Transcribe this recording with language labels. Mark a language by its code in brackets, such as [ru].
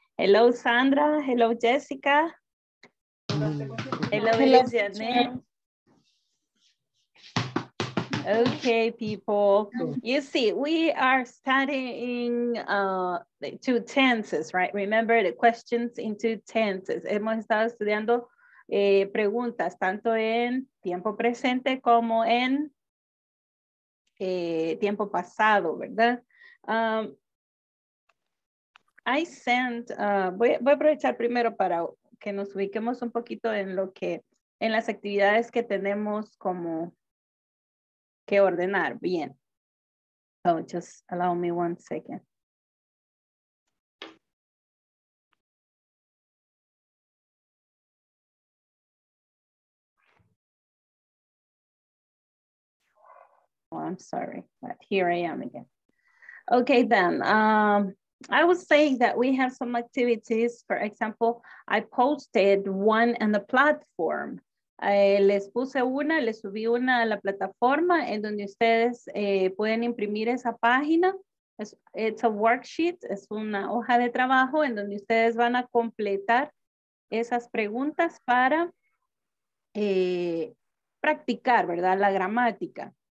[en] Hello Sandra, hello Jessica. Hello, hello. Okay, people, you see, we are studying the two tenses, right? Remember the questions in two tenses. [es] Hemos estado estudiando preguntas tanto en tiempo presente como en tiempo pasado, ¿verdad? [en] I sent, [es] voy a aprovechar primero para que nos ubiquemos un poquito en lo que, en las actividades que tenemos como que ordenar. [en] Bien. Oh, just allow me one second. Oh, I'm sorry, but here I am again. Okay, then. I was saying that we have some activities. For example, I posted one in the platform. [es] Les puse una, les subí una a la plataforma en donde ustedes pueden imprimir esa página. [en] It's a worksheet, [es] es una hoja de trabajo en donde ustedes van a completar esas preguntas para practicar, ¿verdad? La gramática.